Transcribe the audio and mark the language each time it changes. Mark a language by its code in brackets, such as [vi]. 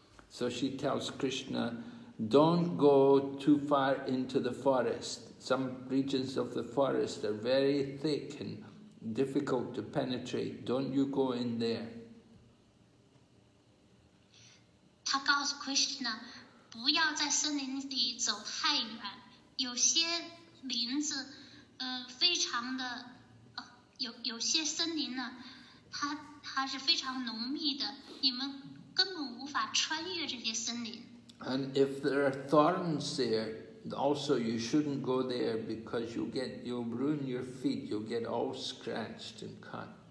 [en] So she tells Krishna, don't go too far into the forest. Some regions of the forest are very thick and difficult to penetrate. Don't you go in there. [zh] 他告诉Krishna, 不要在森林里走太远, 有些林子, 非常的, 有些森林呢, 它是非常浓密的, 你们根本无法穿越这些森林。 [en] And if there are thorns there, also you shouldn't go there because you'll ruin your feet, you'll get all scratched and cut.